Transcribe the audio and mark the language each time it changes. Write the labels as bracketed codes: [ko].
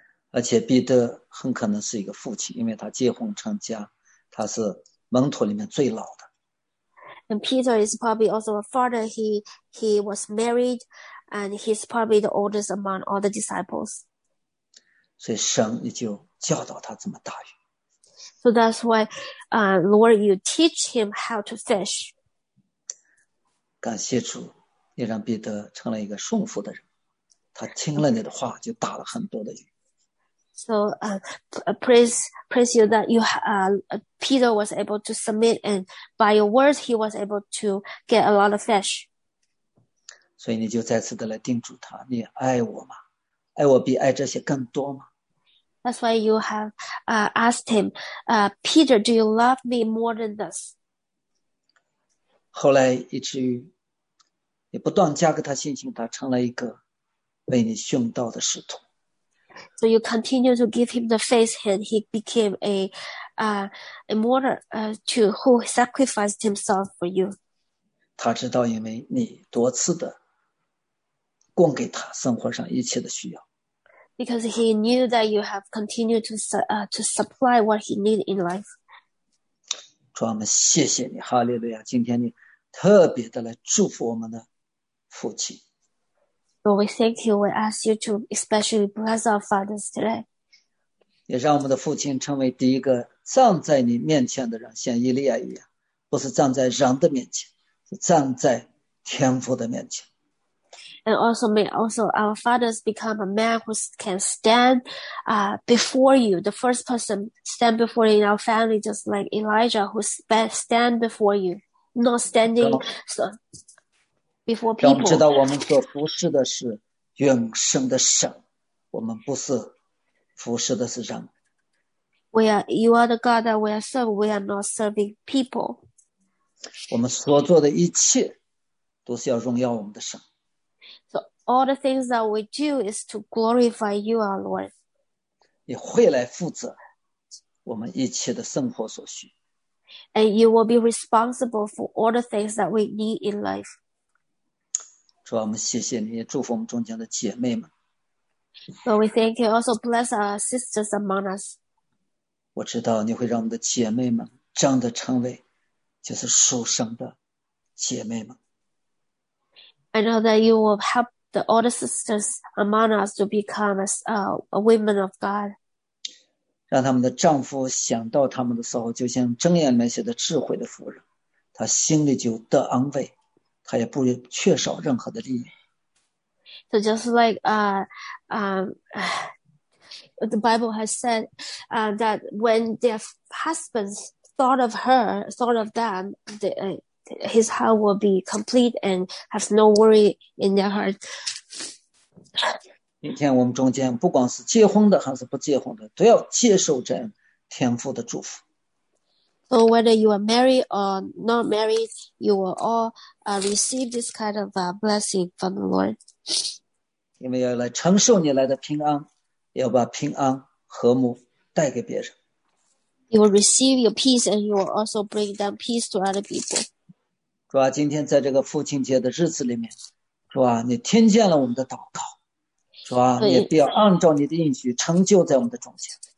[zh] 而且彼得很可能是一个父亲，因为他结婚成家，他是门徒里面最老的。 [en] And Peter is probably also a father. He was married, and he's probably the oldest among all the disciples. [zh] 所以神你就教导他怎么打鱼。 [en] So that's why, Lord, you teach him how to fish. [zh] 感谢主，你让彼得成了一个顺服的人，他听了你的话就打了很多的鱼。 [en] So, praise you that you, Peter was able to submit, and by your words, he was able to get a lot of fish. [zh] 所以你就再次的来叮嘱他，你爱我吗？爱我比爱这些更多吗？ [en] That's why you have asked him, Peter, do you love me more than this? [zh] 后来以至于你不断加给他信心，他成了一个为你殉道的使徒。 [en] So you continue to give him the faith, and he became a martyr to who sacrificed himself for you. [zh] 他知道因为你多次的供给他生活上一切的需要。 [en] Because he knew that you have continued to supply what he needs in life. [zh] 主啊，我们谢谢你，哈利路亚！今天你特别的来祝福我们的父亲。 [en] So we thank you. We ask you to especially bless our fathers today. [zh] 也让我们的父亲成为第一个站在你面前的人像以利亚一样，不是站在人的面前，是站在天父的面前。 [en] And also may also our fathers become a man who can stand, before you. The first person stand before in our family, just like Elijah, who stand before you, not standing so before people. [zh] 让我们知道我们所服侍的是永生的神，我们不是服侍的是人。 [en] We are, you are the God that we are serving. We are not serving people. [zh] 我们所做的一切都是要荣耀我们的神。 [en] All the things that we do is to glorify you, our Lord. [zh] 你会来负责我们一切的生活所需。 [en] And you will be responsible for all the things that we need in life. [zh] 主啊，我们谢谢你，祝福我们中间的姐妹们。 [en] So we thank you, also bless our sisters among us. [zh] 我知道你会让我们的姐妹们真的成为就是属神的姐妹们。 [en] I know that you will help the older sisters among us to become a women of God. [zh] 让他们的丈夫想到他们的时候，就像箴言里面写的智慧的妇人，她心里就得安慰，她也不缺少任何的力量。 [en] So just like the Bible has said that when their husbands thought of her, thought of them, his heart will be complete and have no worry in their heart. [zh] 今天我们中间不管是结婚的还是不结婚的，都要接受这样天父的祝福。 [en] So whether you are married or not married, you will all receive this kind of blessing from the Lord. [zh] 因为要来承受你来的平安，要把平安和睦带给别人。 [en] You will receive your peace and you will also bring down peace to other people. [zh] 主啊，今天在这个父亲节的日子里面，主啊，你听见了我们的祷告，主啊，你必要按照你的应许成就在我们的中间。